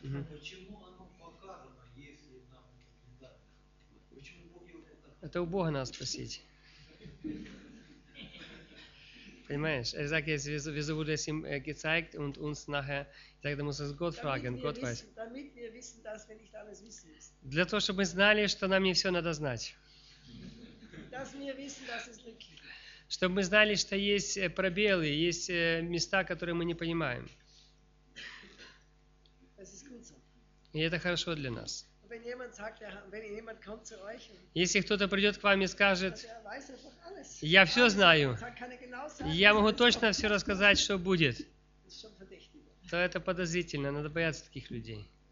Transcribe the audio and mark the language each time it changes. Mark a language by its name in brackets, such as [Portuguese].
[Russian] Почему оно показано, если нам это? Почему Бог его показывает? Это у Бога надо спросить. Понимаешь? [German] Er sagt jetzt, wieso wurde es ihm gezeigt und uns nachher. [Russian] Так, да, [German] muss es Gott fragen, Gott weiß. Damit wir wissen, dass wir nicht alles wissen. [Russian] Для того, чтобы мы знали, что нам не все надо знать. [German] Dass wir wissen, dass es nicht. [Russian] Чтобы мы знали, что есть пробелы, есть места, которые мы не понимаем. [German] Das ist gut so. [Russian] И это хорошо для нас. [German] Wenn jemand sagt, wenn jemand kommt zu euch, [Russian] если кто-то придет к вам и скажет: [German] also, [Russian] «Я все знаю, [German] genau sagen, [Russian] я могу точно все рассказать, что будет», то это подозрительно, надо бояться таких людей.